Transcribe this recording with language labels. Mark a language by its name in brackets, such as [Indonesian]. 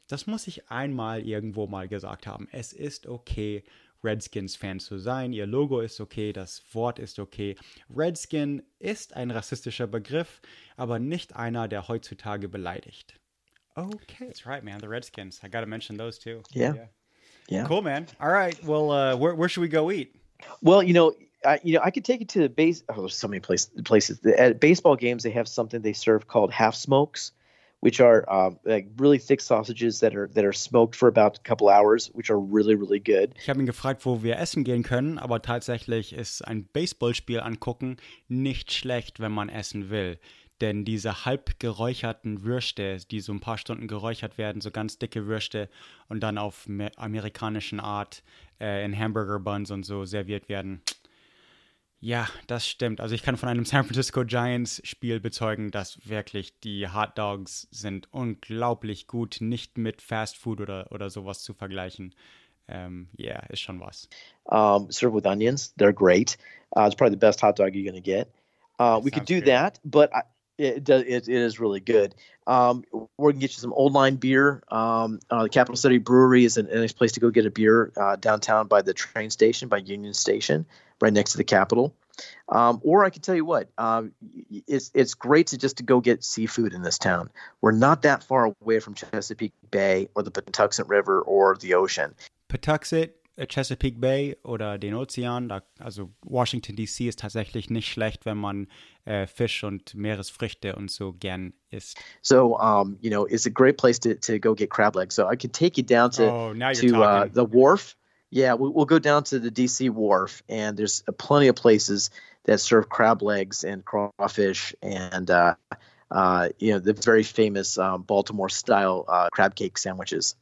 [German] Das muss ich einmal irgendwo mal gesagt haben. Es ist okay, Redskins-Fan zu sein. Ihr Logo ist okay, das Wort ist okay. Redskin ist ein rassistischer Begriff, aber nicht einer, der heutzutage beleidigt. [English] Okay. That's right, man, the Redskins. I gotta mention those too. Yeah. Cool, man. All right, well, where should we go eat? Well, I could take it to the base. Oh, there's so many places. At baseball games, they have something they serve called half smokes, which are like really thick sausages that are smoked for about a couple hours, which are really, really good. [German] Ich habe ihn gefragt, wo wir essen gehen können, aber tatsächlich ist ein Baseballspiel angucken nicht schlecht, wenn man essen will. Denn diese halb geräucherten Würste, die so ein paar Stunden geräuchert werden, so ganz dicke Würste und dann auf amerikanischen Art in Hamburger Buns und so serviert werden. Ja, das stimmt. Also ich kann von einem San Francisco Giants Spiel bezeugen, dass wirklich die Hot Dogs sind unglaublich gut, nicht mit Fast Food oder sowas zu vergleichen. [English] Yeah, it's [German] schon was. [English] Served with onions. They're great. It's probably the best hot dog you're going to get. We could do that, but it is really good. We're going to get you some Old Line beer. The Capital City Brewery is a nice place to go get a beer downtown by the train station, by Union Station, right next to the Capitol. Or I can tell you what, it's great to just to go get seafood in this town. We're not that far away from Chesapeake Bay or the Patuxent River or the ocean. [German] Patuxent, Chesapeake Bay oder den Ozean, da, also Washington D.C. ist tatsächlich nicht schlecht, wenn man Fisch und Meeresfrüchte und so gern isst. [English] So, you know, it's a great place to go get crab legs. So I can take you down to the wharf. Yeah, we'll go down to the D.C. wharf, and there's plenty of places that serve crab legs and crawfish and, you know, the very famous Baltimore-style crab cake sandwiches.